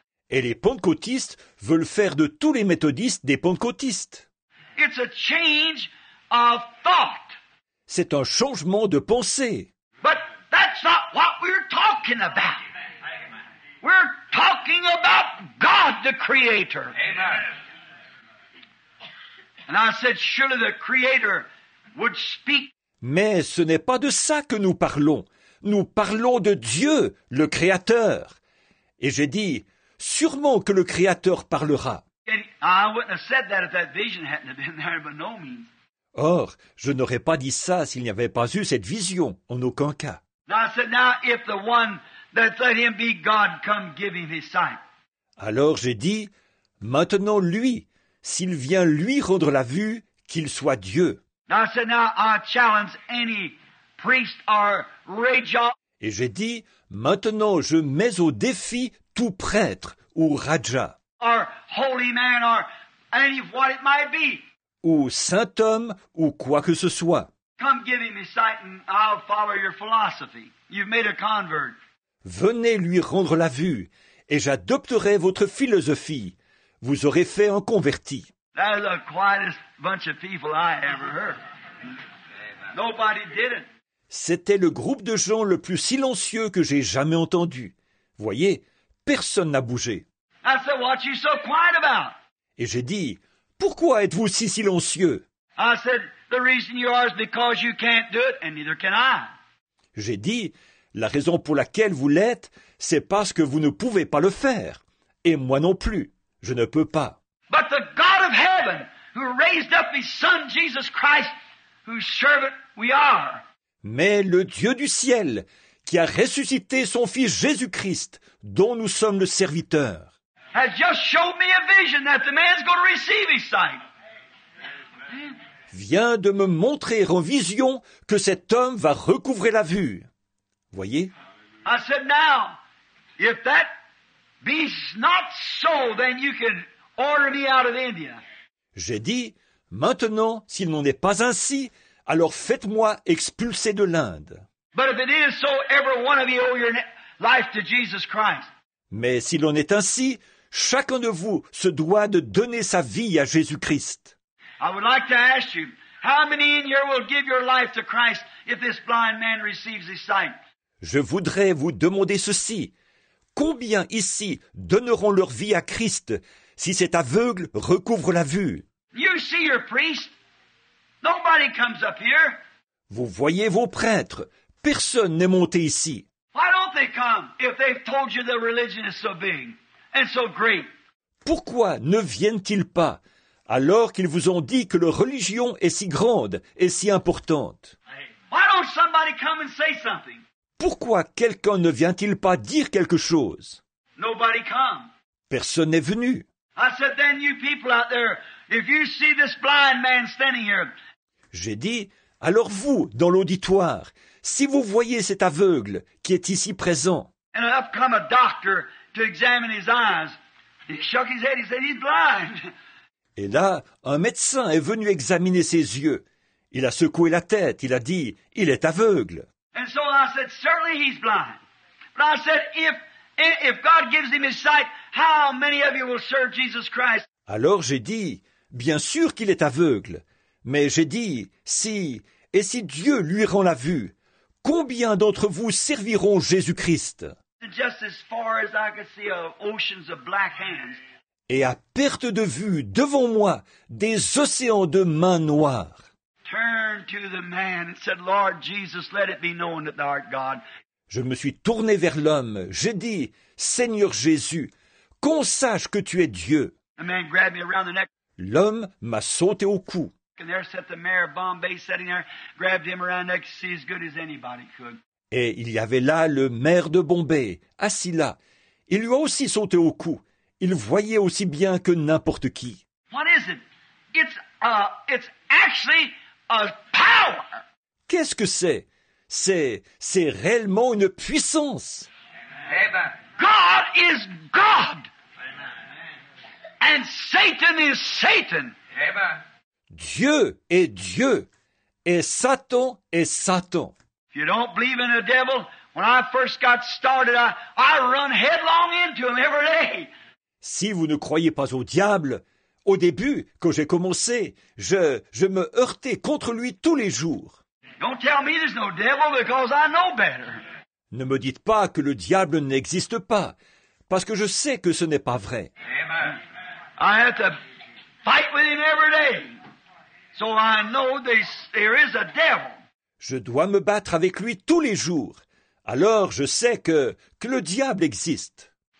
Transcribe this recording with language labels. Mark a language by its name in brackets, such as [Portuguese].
[French] Et les pentecôtistes veulent faire de tous les méthodistes des pentecôtistes. [English] It's a change of thought. [French] C'est un changement de pensée. [English] But that's not what we're talking about. We're talking about God, the Creator. Amen. And I said, surely the Creator would speak. [French] Mais ce n'est pas de ça que nous parlons. Nous parlons de Dieu, le Créateur. Et j'ai dit, sûrement que le Créateur parlera. [English] I wouldn't have said that if that vision hadn't have been there, by no means. [French] Or, je n'aurais pas dit ça s'il n'y avait pas eu cette vision, en aucun cas. [English] Now I said, now if the one... That let him be God, come give him his sight. [French] Alors j'ai dit, maintenant lui, s'il vient lui rendre la vue, qu'il soit Dieu. [English] Now, so now I challenge any priest or Raja. [French] Et j'ai dit, maintenant je mets au défi tout prêtre ou Raja. [English] Or holy man or any what it might be. [French] Ou saint homme ou quoi que ce soit. [English] Come give him his sight and I'll follow your philosophy. You've made a convert. [French] Venez lui rendre la vue, et j'adopterai votre philosophie. Vous aurez fait un converti. [English] That's the quietest bunch of people I ever heard. Nobody did it. [French] C'était le groupe de gens le plus silencieux que j'ai jamais entendu. Voyez, personne n'a bougé. [English] I said, what are you so quiet about? [French] Et j'ai dit, pourquoi êtes-vous si silencieux? [English] I said, the reason you are is because you can't do it, and neither can I. [French] J'ai dit, la raison pour laquelle vous l'êtes, c'est parce que vous ne pouvez pas le faire. Et moi non plus, je ne peux pas. [English] But the God of heaven, who raised up his son Jesus Christ, whose servant we are. [French] Mais le Dieu du ciel, qui a ressuscité son fils Jésus-Christ, dont nous sommes le serviteur. [English] has just showed me a vision that the man's going to receive his sight. [French] Vient de me montrer en vision que cet homme va recouvrir la vue. Voyez. [English] I said, now, if that be not so, then you can order me out of India. [French] J'ai dit, maintenant, s'il n'en est pas ainsi, alors faites-moi expulser de l'Inde. [English] But if it is so, every one of you owe your life to Jesus Christ. [French] Mais s'il en est ainsi, chacun de vous se doit de donner sa vie à Jésus-Christ. [English] I would like to ask you, how many in here will give your life to Christ if this blind man receives his sight? [French] Je voudrais vous demander ceci. Combien ici donneront leur vie à Christ si cet aveugle recouvre la vue? [English] You see your priest. Nobody comes up here. [French] Vous voyez vos prêtres. Personne n'est monté ici. [English] Why don't they come if they've told you their religion is so big and so great? [French] Pourquoi ne viennent-ils pas alors qu'ils vous ont dit que leur religion est si grande et si importante? [English] Why don't somebody come and say something? [French] Pourquoi quelqu'un ne vient-il pas dire quelque chose? [English] Nobody come. [French] Personne n'est venu. [English] I said, then you people out there, if you see this blind man standing here. [French] J'ai dit, alors vous, dans l'auditoire, si vous voyez cet aveugle qui est ici présent. [English] And up come a doctor to examine his eyes. He shook his head, he said, he's blind. [French] Et là, un médecin est venu examiner ses yeux. Il a secoué la tête, il a dit, il est aveugle. [English] And so I said, certainly he's blind. But I said, if God gives him his sight, how many of you will serve Jesus Christ? [French] Alors j'ai dit, bien sûr qu'il est aveugle. Mais j'ai dit, si, et si Dieu lui rend la vue, combien d'entre vous serviront Jésus Christ? [English] Just as far as I could see, oceans of black hands. [French] Et à perte de vue, devant moi, des océans de mains noires. [English] Turned to the man and said, Lord Jesus, let it be known that thou art God. [French] Je me suis tourné vers l'homme. J'ai dit, Seigneur Jésus, qu'on sache que tu es Dieu. [English] The man grabbed me around the neck. [French] L'homme m'a sauté au cou. [English] And there sat the mayor of Bombay sitting there, grabbed him around the neck to see as good as anybody could. [French] Et il y avait là le maire de Bombay, assis là. Il lui a aussi sauté au cou. Il voyait aussi bien que n'importe qui. [English] What is it? It's actually a power. [French] Qu'est-ce que c'est? C'est réellement une puissance. [English] Amen. God is God. Amen. And Satan is Satan. Amen. [French] Dieu est Dieu et Satan est Satan. [English] If you don't believe in the devil, when I first got started, I run headlong into him every day. [French] Si vous ne croyez pas au diable, au début, quand j'ai commencé, je me heurtais contre lui tous les jours. [English] Don't tell me there's no devil because I know better. [French] Ne me dites pas que le diable n'existe pas, parce que je sais que ce n'est pas vrai. [English] Amen. I have to fight with him every day, so I know there is a devil. [French] Je dois me battre avec lui tous les jours, alors je sais que le diable existe.